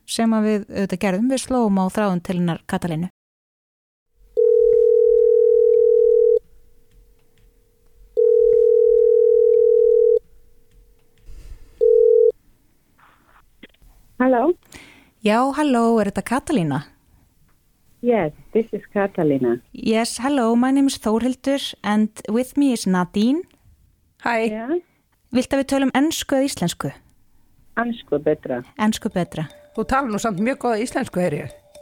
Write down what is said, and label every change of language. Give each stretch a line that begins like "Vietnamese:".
Icelandic: sem að við auðvitað gerðum við slóum á þráðum til hennar Katalínu Halló Já, halló, þetta Katalína?
English: Yes, this is Katalína Yes, hello, my name is Þórhildur and with me is Nadine Hi yeah.
Icelandic: Viltu að við tölum ensku eða íslensku? Ensku betra. Ensku betra. Þú talar nú samt mjög góða íslensku, heyri ég.